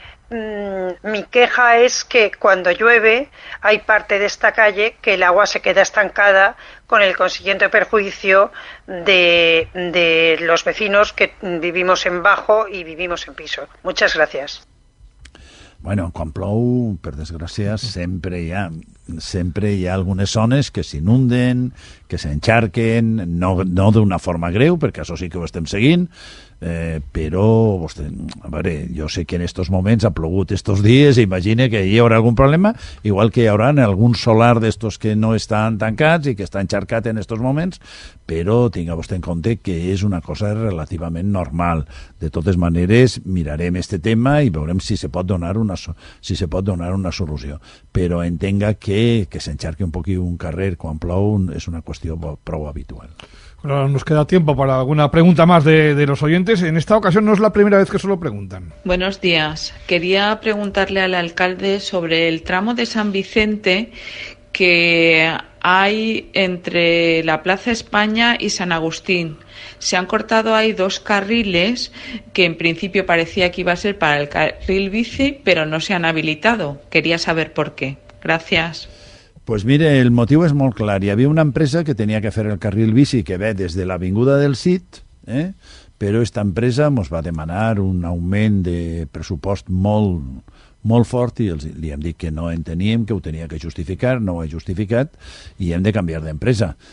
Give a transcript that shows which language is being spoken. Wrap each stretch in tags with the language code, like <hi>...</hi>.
<es>Mi queja es que cuando llueve hay parte de esta calle que el agua se queda estancada, con el consiguiente perjuicio de los vecinos que vivimos en bajo y vivimos en piso. Muchas gracias.</es> <ca>Bueno, quan plou, per desgràcia, sempre hi ha... sempre hi ha algunes zones que s'inunden, que s'encharquen, no d'una forma greu, perquè això sí que ho estem seguint, però vostè, a veure, jo sé que en estos moments ha plogut estos dies, imagina que hi haurà algun problema, igual que hi haurà en algun solar d'estos que no estan tancats i que està encharcat en estos moments, però tinga vostè en compte que és una cosa relativament normal. De totes maneres, mirarem este tema i veurem si se pot donar una, si se pot donar una solució. Però entenga que s'encharqui un poc un carrer quan plou és una qüestió prou habitual.</ca> <es>Però nos queda tiempo para alguna pregunta más de los oyentes. En esta ocasión no es la primera vez que se lo preguntan. Buenos días. Quería preguntarle al alcalde sobre el tramo de San Vicente que hay entre la Plaza España y San Agustín. Se han cortado ahí dos carriles que en principio parecía que iba a ser para el carril bici, pero no se han habilitado. Quería saber por qué. Gracias. Pues mire,</es> <ca>el motiu és molt clar. Hi havia una empresa que tenia que fer el carril bici que ve des de l'Avinguda del Cid, però esta empresa ens va demanar un augment de pressupost molt, molt fort i els, li hem dit que no en teníem, que ho tenia que justificar, no ho ha justificat, i hem de canviar d'empresa.</ca>